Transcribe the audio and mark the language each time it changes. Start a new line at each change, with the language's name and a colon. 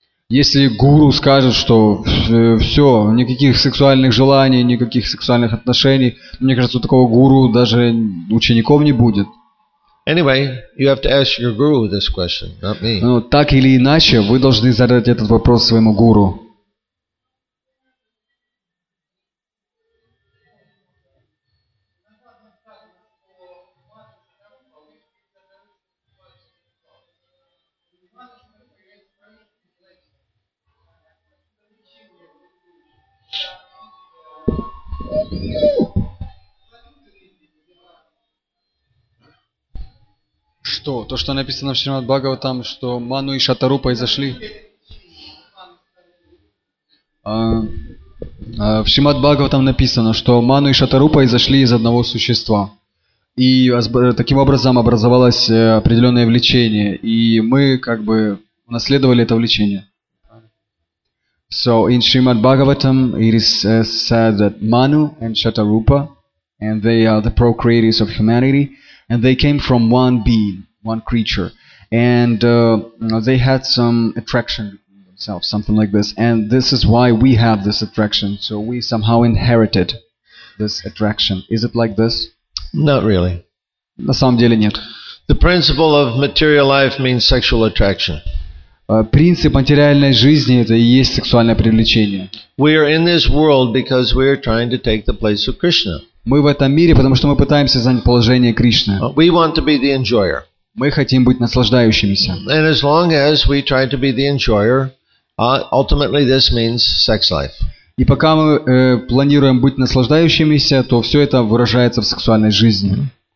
Russian: Если гуру скажет, что все, никаких сексуальных желаний, никаких сексуальных отношений, мне кажется, у такого гуру даже учеников не будет.
English: Anyway, you have to ask your guru this question, not me.
Russian: Ну, так или иначе, вы должны задать этот вопрос своему гуру. Что? То, что написано в Шримад Бхагаватам, что Ману и Шатарупа изошли? В Шримад Бхагаватам написано, что Ману и Шатарупа изошли из одного существа. И таким образом образовалось определенное влечение. И мы как бы унаследовали это влечение.
English: So in Srimad Bhagavatam it is said that Manu and Shatarupa, and they are the procreators of humanity, and they came from one being, one creature, and they had some attraction in themselves, something like this, and this is why we have this attraction, so we somehow inherited this attraction. Is it like this? Not really.
Russian: На самом деле нет.
English: The principle of material life means sexual attraction.
Russian: Принцип материальной жизни – это и есть сексуальное привлечение. Мы в этом мире, потому что мы пытаемся занять положение Кришны.
English: We want to be the enjoyer.
Russian: Мы хотим быть наслаждающимися.
English: And as long as we try to be the enjoyer, ultimately this means sex life.
Russian: И пока мы планируем быть наслаждающимися, то все это выражается в сексуальной жизни.